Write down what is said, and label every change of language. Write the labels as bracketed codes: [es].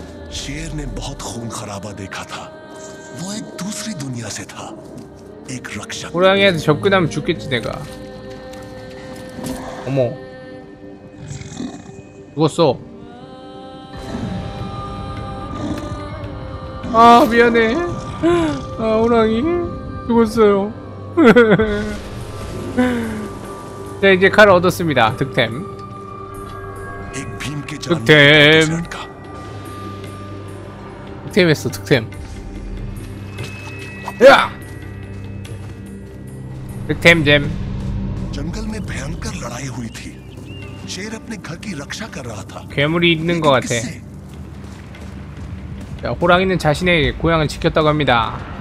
[hi] 시에르는 बहुत खून खराबा देखा था. वो एक दूसरी दुनिया से था. एक रक्षक. [ko] 고랑이한테 접근하면 죽겠지 내가. 어머. 죽었어. 아, 미안해. 아, 호랑이 죽었어요. 자, 이제 칼을 얻었습니다. 득템. 득템. 득템했어, 득템. 야! 득템잼. [hi] 정글에 भयंकर लड़ाई हुई थी. 쉐어 अपने घर की रक्षा कर रहा था. [ko] 괴물이 있는 것 같아. 자, 호랑이는 자신의 고향을 지켰다고 합니다.